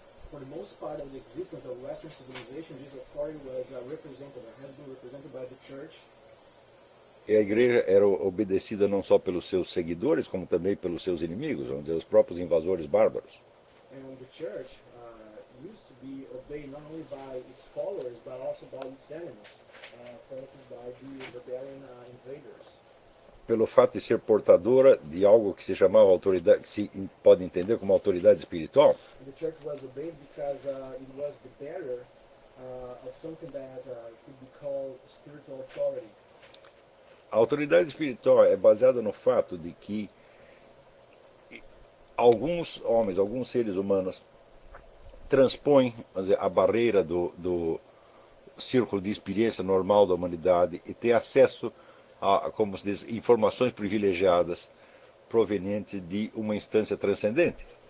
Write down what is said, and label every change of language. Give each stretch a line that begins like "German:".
English: For the most part of the existence of Western civilization, this authority was represented or has been represented by the Church.
Portuguese: E a Igreja era obedecida não só pelos seus seguidores, como também pelos seus inimigos, vamos dizer, os próprios invasores bárbaros.
English: And the Church used to be obeyed not only by its followers, but also by its enemies, for instance, by the rebellion invaders.
Portuguese: Pelo fato de ser portadora de algo que se chamava autoridade, que se pode entender como autoridade espiritual.
English: And the Church was obeyed because it was the bearer of something that could be called spiritual authority.
Portuguese: A autoridade espiritual é baseada no fato de que alguns homens, alguns seres humanos transpõe, vamos dizer, a barreira do círculo de experiência normal da humanidade e tem acesso a, como se diz, informações privilegiadas provenientes de uma instância transcendente.